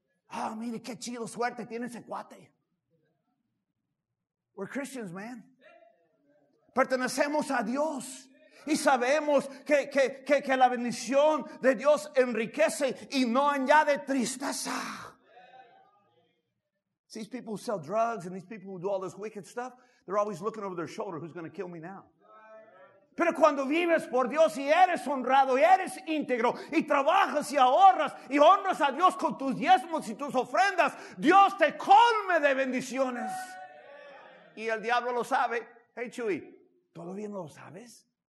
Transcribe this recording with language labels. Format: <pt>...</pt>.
<es>Ah, mire, qué chido suerte tiene ese cuate.</es> <en>We're Christians, man.</en> <es>Pertenecemos a Dios. Y sabemos que la bendición de Dios enriquece y no añade tristeza.</es> <en>These people who sell drugs and these people who do all this wicked stuff, they're always looking over their shoulder, who's going to kill me now?</en> <es>Pero cuando vives por Dios y eres honrado y eres íntegro y trabajas y ahorras y honras a Dios con tus diezmos y tus ofrendas, Dios te colme de bendiciones. Y el diablo lo sabe. Hey, Chuy, ¿todavía no lo sabes?</es>